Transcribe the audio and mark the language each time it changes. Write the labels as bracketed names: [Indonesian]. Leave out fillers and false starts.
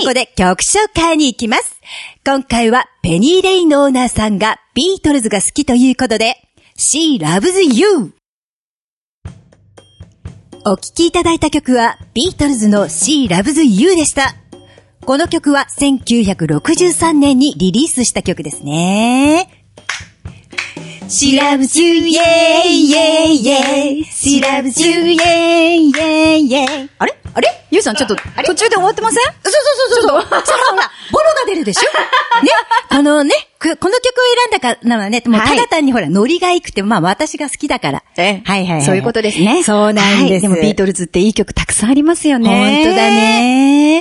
[Japanese] ここで曲紹介に行きます。今回はペニーレインのオーナーさんがビートルズが好きということで、She loves you! お聴きいただいた曲はビートルズの She Loves You でした。この曲は1963年にリリースした曲ですね。 [English] She Loves You, yeah, yeah, yeah. She Loves You, yeah, yeah, yeah. [Japanese] あれ？あれ？ゆうさん、ちょっと、あれ？途中で終わってません？そうそうそうそう。ちょっと、ほら、ボロが出るでしょ？ね、このね、この曲を選んだからはね、もうただ単にほら、ノリがいくて、まあ私が好きだから。え、はい、はいはい。そういうことですね。そうなんです、はい。でもビートルズっていい曲たくさんありますよね。